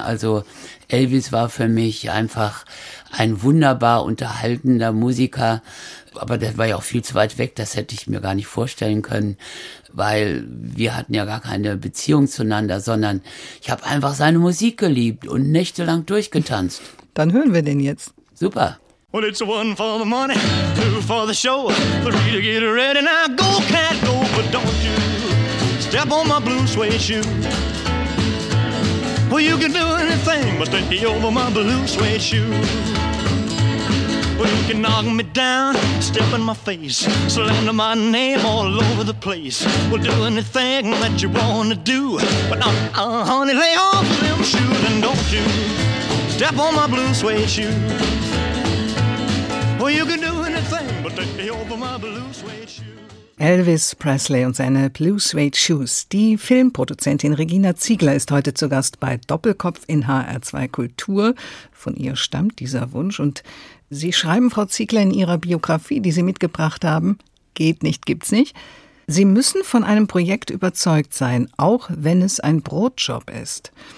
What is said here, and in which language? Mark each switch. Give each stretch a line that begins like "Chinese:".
German: Also Elvis war für mich einfach ein wunderbar unterhaltender Musiker. Aber das war ja auch viel zu weit weg, das hätte ich mir gar nicht vorstellen können, weil wir hatten ja gar keine Beziehung zueinander, sondern ich habe einfach seine Musik geliebt und nächtelang durchgetanzt. Dann hören wir den jetzt. Super.
English: Well, it's one for the money, two for the show, three to get ready, now go, cat, go, but don't you step on my blue suede shoe. Well, you can do anything but take me over my blue suede shoe. Well, you can knock me down, step in my face, slander my name all over the place. Well, do anything that you wanna do, but not, honey, lay off them shoes. And don't you step on my blue suede shoe. Well, you can do anything but take me over my blue suede shoe.
German: Elvis Presley und seine Blue Suede Shoes. Die Filmproduzentin Regina Ziegler ist heute zu Gast bei Doppelkopf in HR2 Kultur. Von ihr stammt dieser Wunsch. Und Sie schreiben, Frau Ziegler, in Ihrer Biografie, die Sie mitgebracht haben, geht nicht, gibt's nicht. Sie müssen von einem Projekt überzeugt sein, auch wenn es ein Brotjob ist.